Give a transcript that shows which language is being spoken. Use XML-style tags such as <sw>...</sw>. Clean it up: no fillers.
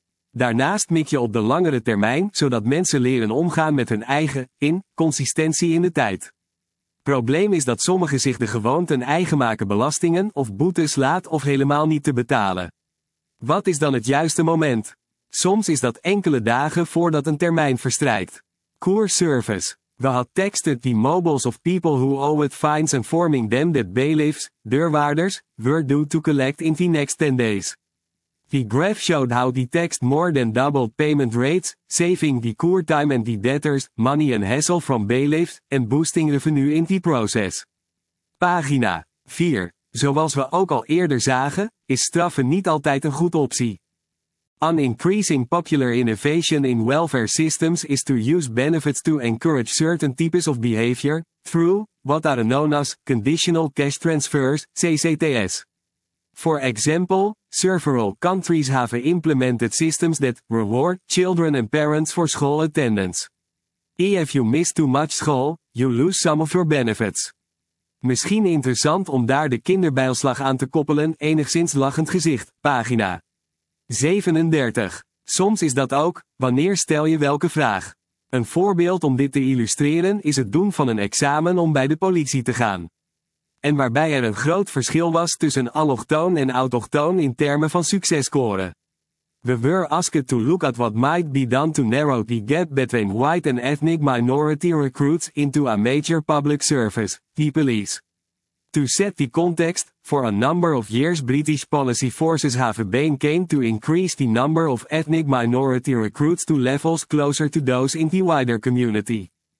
<nl>Daarnaast mik je op de langere termijn, zodat mensen leren omgaan met hun eigen, inconsistentie in de tijd. Probleem is dat sommigen zich de gewoonten eigen maken belastingen of boetes laat of helemaal niet te betalen. Wat is dan het juiste moment? Soms is dat enkele dagen voordat een termijn verstrijkt.</nl> <en>Core service. We had texted the mobiles of people who owed fines informing them that bailiffs, deurwaarders, were due to collect in the next 10 days. The graph showed how the text more than doubled payment rates, saving the core time and the debtors, money and hassle from bailiffs, and boosting revenue in the process.</en> <nl>Pagina 4. Zoals we ook al eerder zagen, is straffen niet altijd een goede optie.</nl> <en>An increasing popular innovation in welfare systems is to use benefits to encourage certain types of behavior, through what are known as conditional cash transfers, CCTS. For example, several countries have implemented systems that reward children and parents for school attendance. If you miss too much school, You lose some of your benefits.</en> <nl>Misschien interessant om daar de kinderbijslag aan te koppelen, enigszins lachend gezicht, pagina 37. Soms is dat ook, wanneer stel je welke vraag? Een voorbeeld om dit te illustreren is het doen van een examen om bij de politie te gaan. En waarbij er een groot verschil was tussen allochtoon en autochtoon in termen van successcore.</nl> <en>We were asked to look at what might be done to narrow the gap between white and ethnic minority recruits into a major public service, the police. To set the context, for a number of years British policy forces have been keen to increase the number of ethnic minority recruits to levels closer to those in the wider community.</en>